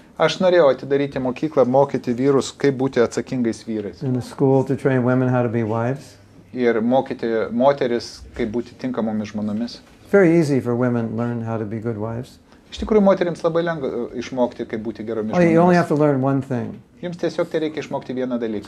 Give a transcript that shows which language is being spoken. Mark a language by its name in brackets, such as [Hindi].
[Lithuanian] Aš norėjau atidaryti mokyklą, mokyti vyrus, kaip būti atsakingais vyrais. [English] And a school to train women how to be wives. [Lithuanian] Ir mokyti moteris, kaip būti tinkamomis žmonomis. [English] Very easy for women learn how to be good wives. [Lithuanian] Iš tikrųjų, moterims labai lengva išmokti, kaip būti geromis žmonomis. [English] You only have to learn one thing. [Lithuanian] Jums tiesiog tai reikia išmokti vieną dalyką.